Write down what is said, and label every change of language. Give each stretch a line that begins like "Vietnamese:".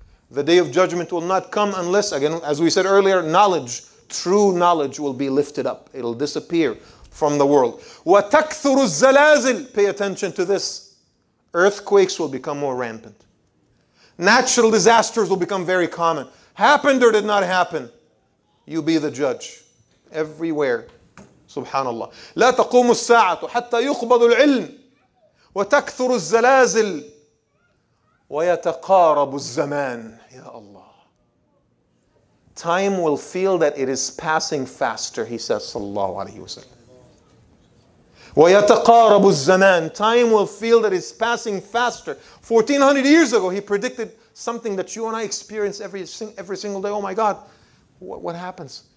English: The day of judgment will not come unless, again, as we said earlier, knowledge, true knowledge will be lifted up. It'll disappear from the world.
Arabic: وتكثر الزلازل.
English: Pay attention to this. Earthquakes will become more rampant. Natural disasters will become very common. Happened or did not happen? You be the judge. Everywhere. Subhanallah.
Arabic: لا تقوم الساعة حتى يقبض العلم وتكثر الزلازل ويتقارب الزمان. يا الله.
English: Time will feel that it is passing faster, he says, sallallahu alayhi wa sallam.
Arabic: ويتقارب الزمان.
English: Time will feel that it's passing faster. 1400 years ago, he predicted something that you and I experience every single day. Oh my God, what happens?